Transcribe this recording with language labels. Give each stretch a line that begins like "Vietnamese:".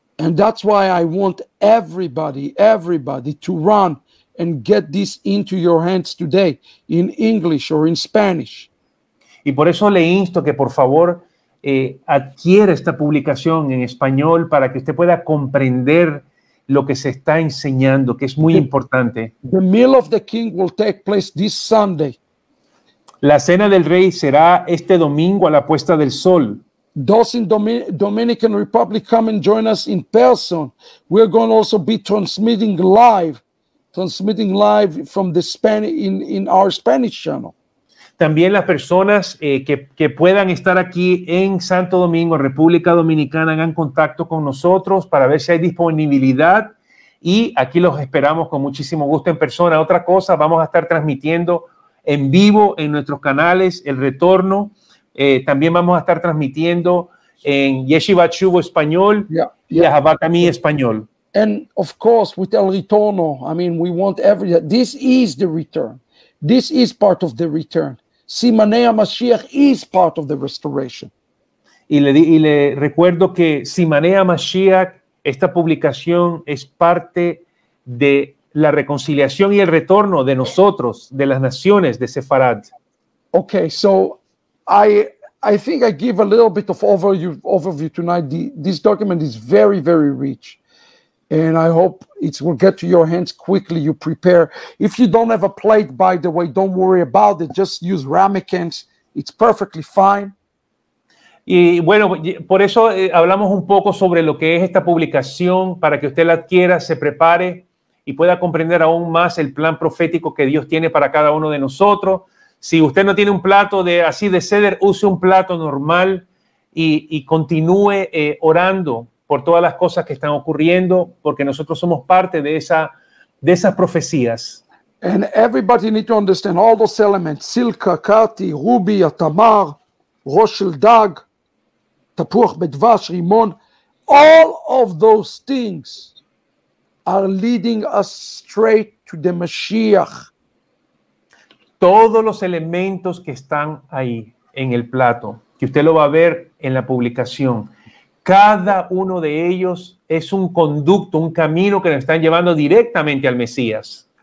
English: And that's why I want everybody to run and get this into your hands today in English or in Spanish.
Spanish: Y por eso le insto que por favor adquiera esta publicación en español para que usted pueda comprender lo que se está enseñando, que es muy importante.
English: The meal of the king will take place this Sunday.
Spanish: La cena del rey será este domingo a la puesta del sol.
English: Those in Dominican Republic, come and join us in person. We're going also be transmitting live from the Spanish in our Spanish channel.
Spanish: También las personas que puedan estar aquí en Santo Domingo, República Dominicana, hagan contacto con nosotros para ver si hay disponibilidad y aquí los esperamos con muchísimo gusto en persona. Otra cosa, vamos a estar transmitiendo en vivo en nuestros canales el retorno. También vamos a estar transmitiendo en Yeshiva Chubo español y Jabatami español.
English: And of course, with el retorno, I mean, we want every. This is the return. This is part of the return. Simanei HaMashiach is part of the restoration.
Spanish: Y le recuerdo que Simanei HaMashiach, esta publicación es parte de la reconciliación y el retorno de nosotros, de las naciones de Sefarad.
English: Okay, so I think I give a little bit of overview tonight. This document is very, very rich. And I hope it will get to your hands quickly. You prepare. If you don't have a plate, by the way, don't worry about it. Just use ramekins. It's perfectly fine.
Spanish: Y bueno, por eso hablamos un poco sobre lo que es esta publicación para que usted la adquiera, se prepare y pueda comprender aún más el plan profético que Dios tiene para cada uno de nosotros. Si usted no tiene un plato de así de ceder, use un plato normal y continúe orando por todas las cosas que están ocurriendo, porque nosotros somos parte de esas profecías.
English: And everybody need to understand all those elements:
Hebrew: silka, kati, rubi, atamar, roshel dag, tapuach bedvash, rimon.
English: All of those things are leading us straight to the Mashiach.
Spanish: Todos los elementos que están ahí en el plato, que usted lo va a ver en la publicación. Cada uno de ellos es un conducto, un camino que nos están llevando directamente al Mesías.